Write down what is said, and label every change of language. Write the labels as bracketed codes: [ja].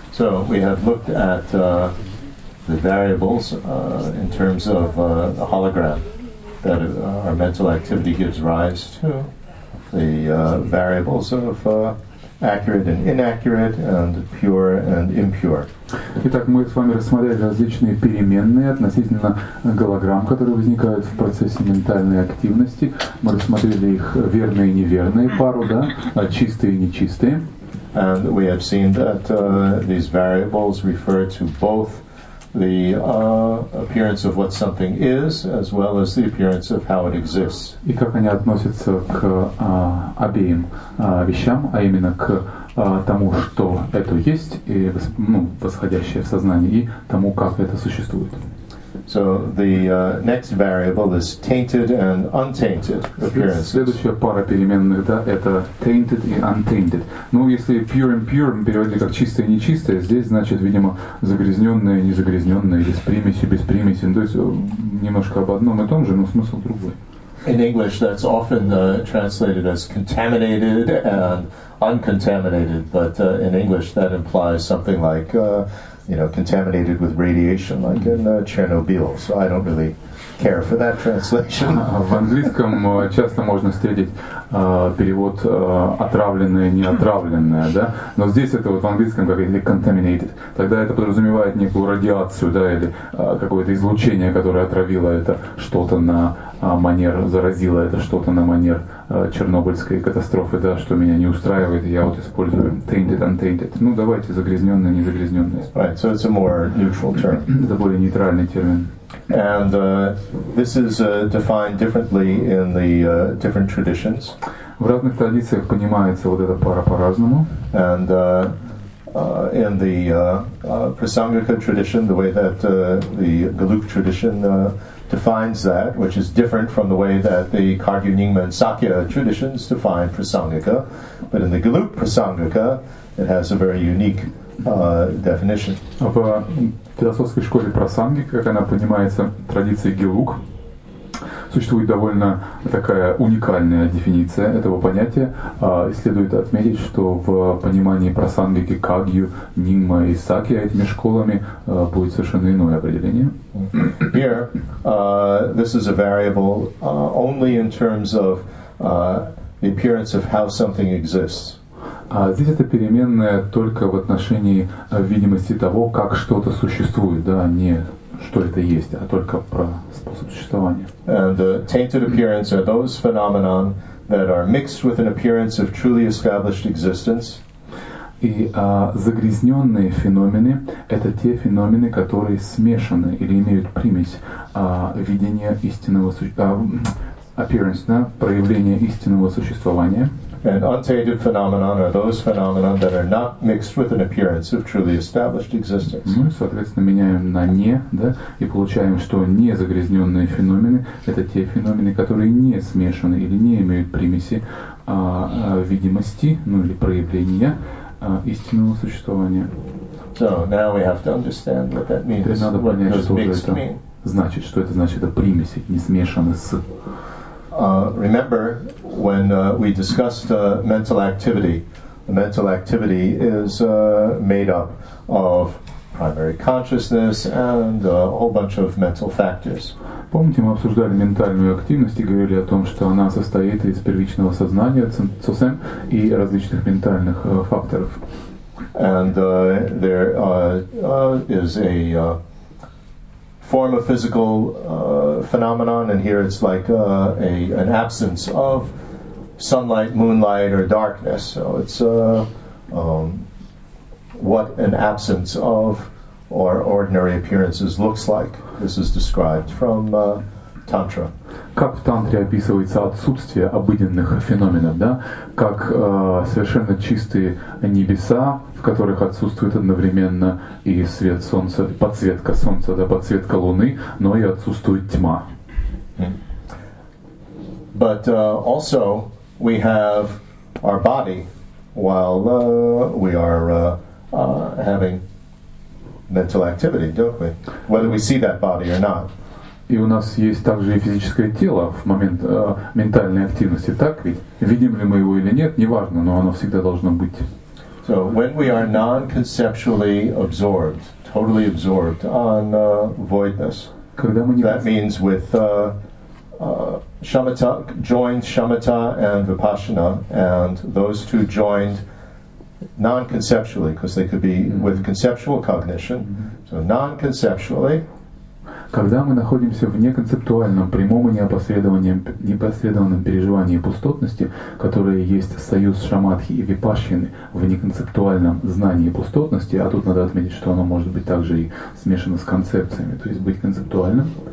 [en] So we have looked at the variables in terms of the hologram that our mental activity gives rise to, the variables of accurate and inaccurate, and pure and impure. [ru] Итак, мы с вами рассмотрели различные переменные относительно голограмм, которые возникают в процессе ментальной активности. Мы рассмотрели их верные и неверные пару, да, чистые и нечистые. [en] And we have seen that these variables refer to both the appearance of what something is, as well as the appearance of how it exists. [ru] И как они относятся к обеим вещам, а именно к тому, что это есть, и, ну, восходящее в сознание, и тому, как это существует. [en] So the next variable is tainted and untainted appearances. [ru] Следующая пара переменных, да, это [en] tainted [ru] и [en] untainted. [ru] Ну, если [en] pure and pure [ru] мы переводили как чистое и нечистое, здесь, значит, видимо, загрязненное и незагрязненное, или с примесью, без примеси. То есть немножко об одном и том же, но смысл другой. [en] In English, that's often translated as contaminated and uncontaminated, but in English, that implies something like, you know, contaminated with radiation, like in Chernobyl. So I don't really care for that translation. [ru] В английском часто можно встретить перевод отравленное, неотравленное, да? Но здесь это вот в английском говорили contaminated. Тогда это подразумевает некую радиацию, да, или какое-то излучение, которое отравило это что-то на манер, заразило это что-то на манер чернобыльской катастрофы, да, что меня не устраивает, я вот использую [en] tainted, untainted. [ru] Ну, давайте загрязненное, незагрязненное. [en] Right, so it's a more neutral term. [ru] Это более нейтральный термин. [en] And this is defined differently in the different traditions. [ru] В разных традициях понимается вот эта пара по-разному. [en] And in the Prasangika tradition, the way that the Galuk tradition defines that, which is different from the way that the Kagyu Nyingma and Sakya traditions define Prasangika. But in the Galuk Prasangika, it has a very unique definition. [ru] В философской школе Прасангика, как она понимается, традиции Гелук, существует довольно такая уникальная дефиниция этого понятия. И следует отметить, что в понимании Прасангики Кагью, Нингма и Сакья этими школами будет совершенно иное определение. [en] Here, this is a variable only in terms of the appearance of how something exists. [ru] Здесь это переменная только в отношении видимости того, как что-то существует, да, не что это есть, а только про способ существования. [en] And the tainted appearance are those phenomena that are mixed with an appearance of truly established existence. [ru] И загрязненные феномены — это те феномены, которые смешаны или имеют примесь видения истинного appearance, да, проявления истинного существования. [en] And untainted phenomena are those phenomena that are not mixed with an appearance of truly established existence. [ru] Мы, соответственно, меняем на «не», да, и получаем, что незагрязненные феномены — это те феномены, которые не смешаны или не имеют примеси видимости, ну или проявления истинного существования. [en] So now we have to understand what that means. [ru] То есть надо понять, что же это значит, что это значит, это примеси, не смешаны с. [en] Remember, when we discussed mental activity, the mental activity is made up of primary consciousness and a whole bunch of mental factors. [ru] Помните, мы обсуждали ментальную активность и говорили о том, что она состоит из первичного сознания, цосэн, и различных ментальных факторов. [en] And there is a form of physical phenomenon, and here it's like an absence of sunlight, moonlight, or darkness. So it's what an absence of or ordinary appearances looks like. This is described from Tantra. [ru] Как в тантре описывается отсутствие обыденных феноменов, да? Как совершенно чистые небеса, в которых отсутствует одновременно и свет солнца, и подсветка солнца, да, подсветка луны, но и отсутствует тьма. [en] But also we have our body while we are having mental activity, don't we? Whether we see that body or not. [ru] И у нас есть также и физическое тело в момент ментальной активности, так ведь? Видим ли мы его или нет, неважно, но оно всегда должно быть. [en] So when we are non-conceptually absorbed, totally absorbed on voidness, that means with shamatha, joined shamatha and vipassana, and those two joined non-conceptually, because they could be with conceptual cognition, so non-conceptually. [ru] Когда мы находимся в неконцептуальном, прямом и непосредованном переживании пустотности, которое есть союз шамадхи и випашьины в неконцептуальном знании пустотности, а тут надо отметить, что оно может быть также и смешано с концепциями, то есть быть концептуальным.